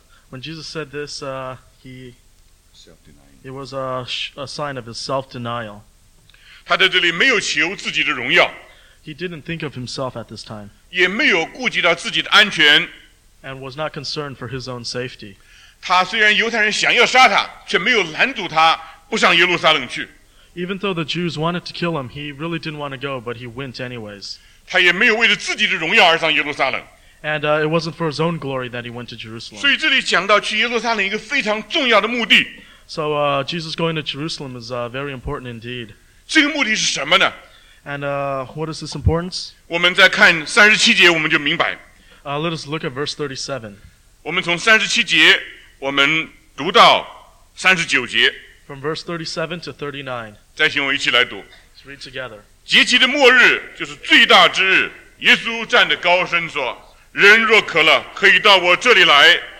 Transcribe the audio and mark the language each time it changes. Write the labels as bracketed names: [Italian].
[English] When Jesus said this, It was a sign of his self-denial. [Chinese] 他在这里没有求自己的荣耀。 [English] He didn't think of himself at this time. [Chinese] 也没有顾及到自己的安全。 [English] And was not concerned for his own safety. [Chinese] 他虽然犹太人想要杀他，却没有拦阻他不上耶路撒冷去。 [English] Even though the Jews wanted to kill him, he really didn't want to go, but he went anyways. [Chinese] 他也没有为了自己的荣耀而上耶路撒冷。 [English] And it wasn't for his own glory that he went to Jerusalem. [Chinese] 所以这里讲到去耶路撒冷一个非常重要的目的。 [English] So Jesus going to Jerusalem is very important indeed. [Chinese] 这个目的是什么呢？ [English] And what is this importance? [Chinese] 我们再看三十七节，我们就明白。 [English] Let us look at verse 37. [Chinese] 我们从三十七节，我们读到三十九节。 [English] From verse 37 to 39. [Chinese] 再请我一起来读。 [English] Let's read together. [Chinese] 节期的末日就是最大之日。耶稣站着高声说：“人若渴了，可以到我这里来。